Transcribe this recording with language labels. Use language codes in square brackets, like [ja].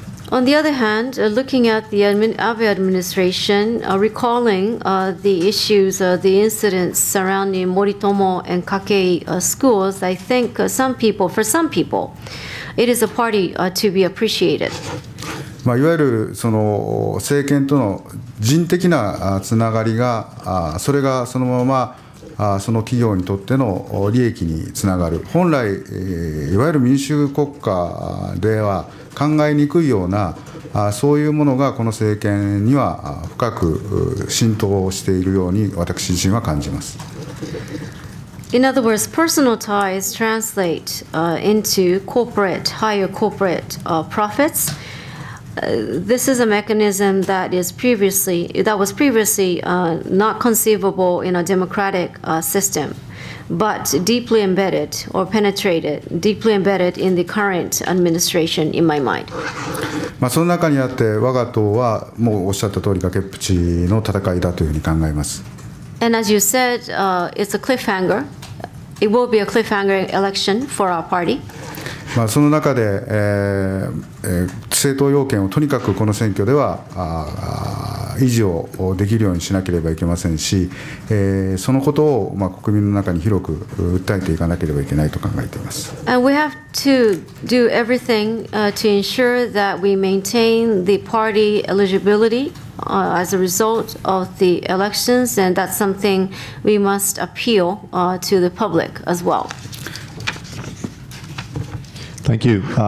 [en] On the other hand, looking at the Abe administration, recalling the issues, the incidents surrounding Moritomo and Kakei schools, I think some people, for some people, it is a party to be appreciated. [ja] まあ、いわゆるその政権との人的なつながりが、それがそのままその企業にとっての利益につながる、本来いわゆる民主国家では考えにくいような、そういうものがこの政権には深く浸透しているように私自身は感じます。 [en] In other words, personal ties translate into corporate, higher corporate profits. This is a mechanism that was previously not conceivable in a democratic system, but deeply embedded in the current administration, in my mind. [ja] まあ、その中にあって我が党はもうおっしゃった通り崖っぷちの戦いだというふうに考えます。 [en] And as you said, it's a cliffhanger. It will be a cliffhanger election for our party. [ja] まあその中で、政党要件をとにかくこの選挙では維持をできるようにしなければいけませんし、そのことをまあ国民の中に広く訴えていかなければいけないと考えています。 [en] And we have to do everything to ensure that we maintain the party eligibility as a result of the elections, and that's something we must appeal to the public as well. Thank you.